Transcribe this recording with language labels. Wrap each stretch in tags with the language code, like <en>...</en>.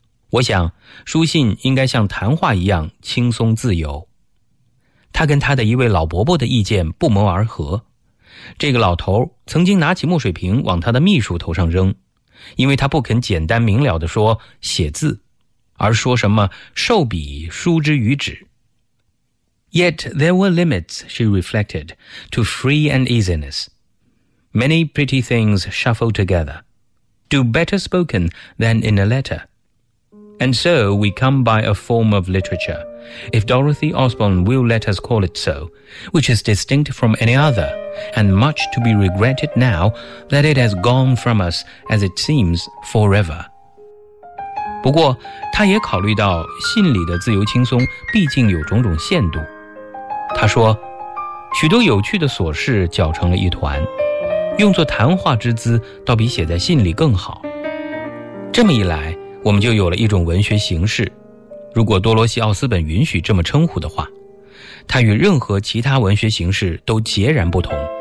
<zh>我想，书信应该像谈话一样轻松自由。他跟他的一位老伯伯的意见不谋而合。这个老头曾经拿起墨水瓶往他的秘书头上扔，因为他不肯简单明了地说写字，而说什么授笔书之于纸。</zh> <en>Yet there were limits, she reflected, to free and easiness. Many pretty things shuffle together, do better spoken than in a letter. And so we come by a form of literature, if Dorothy Osborne will let us call it so, which is distinct from any other, and much to be regretted now that it has gone from us, as it seems, forever.</en> <zh>不过他也考虑到信里的自由轻松毕竟有种种限度。他说，许多有趣的琐事搅成了一团。用作谈话之姿倒比写在信里更好。这么一来，我们就有了一种文学形式，如果多罗西奥斯本允许这么称呼的话，它与任何其他文学形式都截然不同。</zh>